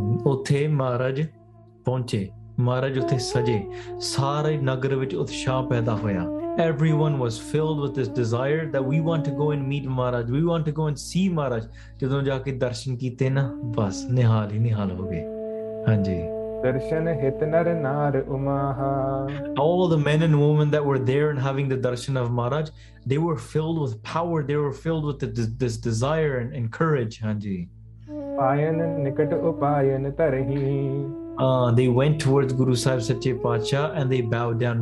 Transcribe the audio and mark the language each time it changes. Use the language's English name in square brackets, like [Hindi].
[Punjabi] ਉੱਥੇ ਮਹਾਰਾਜ ਪਹੁੰਚੇ, ਮਹਾਰਾਜ ਉੱਥੇ ਸਜੇ, ਸਾਰੇ ਨਗਰ ਵਿੱਚ ਉਤਸ਼ਾਹ ਪੈਦਾ ਹੋਇਆ। [English] Everyone was filled with this desire that we want to go and meet Maharaj. We want to go and see Maharaj. [Punjabi] ਜਦੋਂ ਜਾ ਕੇ ਦਰਸ਼ਨ ਕੀਤੇ ਨਾ, ਬਸ ਨਿਹਾਲ ਹੀ ਨਿਹਾਲ ਹੋ ਗਏ। ਹਾਂਜੀ। ਦਰਸ਼ਨ ਹਿਤ ਨਰ ਨਾਰ ਉਮਾਹਾ [English] All the men and women that were there and having the darshan of Maharaj, they were filled with power. They were filled with this desire and courage. Hanji. [Punjabi] ਪਾਇਨ ਨਿਕਟ ਉਪਾਇਨ ਧਰਹੀ [English] They went towards Guru Sahib Sache Pacha and they bowed down.